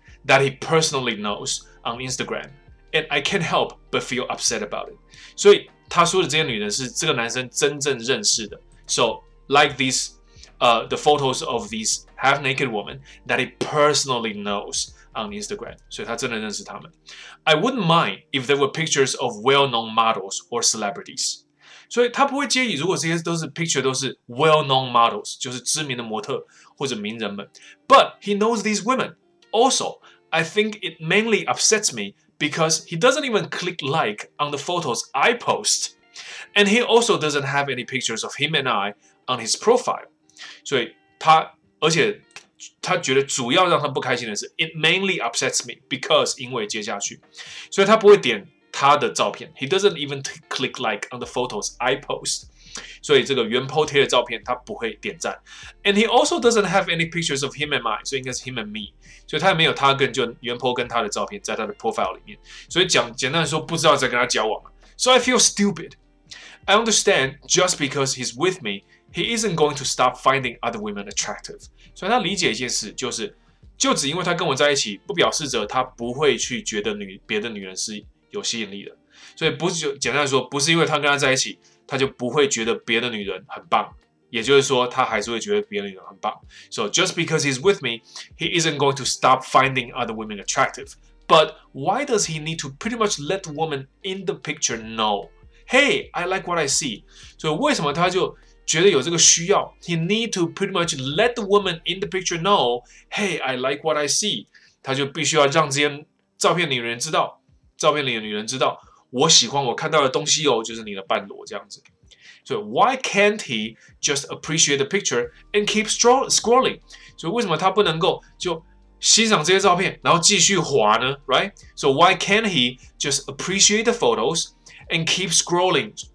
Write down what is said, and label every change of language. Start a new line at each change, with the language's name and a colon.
English: That he personally knows on Instagram, and I can't help but feel upset about it.
Chinese: 所以他说的这些女人是这个男生真正认识的。
English: So like these, the photos of these half-naked women that he personally knows on Instagram.
Chinese: 所以他真的认识他们。
English: I wouldn't mind if there were pictures of well-known models or celebrities.
Chinese: 所以他不会介意，如果这些都是 picture 都是
English: well-known models，
Chinese: 就是知名的模特或者名人们。
English: But he knows these women. Also, I think it mainly upsets me because he doesn't even click like on the photos I post. And he also doesn't have any pictures of him and I on his profile.
Chinese: 所以而且他觉得主要让他不开心的是
English: it mainly upsets me because
Chinese: 因为接下去。所以他不会点他的照片。
English: He doesn't even click like on the photos I post.
Chinese: 所以这个原 po 贴的照片他不会点赞 ，
English: and he also doesn't have any pictures of him and me，
Chinese: 所以应该是
English: him and me，
Chinese: 所以他也没有他跟就原 po 跟他的照片在他的 profile 里面，所以讲简单的说不知道在跟他交往。
English: So I feel stupid. I understand just because he's with me, he isn't going to stop finding other women attractive.
Chinese: 所以他理解一件事，就只因为他跟我在一起，不表示着他不会去觉得别的女人是有吸引力的。所以不是就简单的说，不是因为他跟他在一起。他就不会觉得别的女人很棒，也就是说，他还是会觉得别的女人很棒。
English: So just because he's with me, he isn't going to stop finding other women attractive. But why does he need to pretty much let the woman in the picture know, hey, I like what I see?
Chinese: 所以为什么他就觉得有这个需要
English: ？He need to pretty much let the woman in the picture know, hey, I like what I see.
Chinese: 他就必须要让这些照片里的人知道，照片里的女人知道。我喜欢我看到的东西哦，就是你的半裸这样子。
English: 所以 why can't he just appreciate the picture and keep scrolling？
Chinese: 所以为什么他不能够就欣赏这些照片，然后继续滑呢 ？Right？
English: So why can't he just appreciate the photos and keep scrolling？